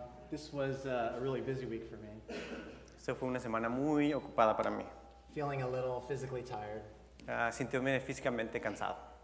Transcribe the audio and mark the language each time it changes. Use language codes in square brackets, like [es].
[en] This was a really busy week for me. [es] Esto fue una semana muy ocupada para mí. [en] Feeling a little physically tired. [es] Sintiéndome físicamente cansado.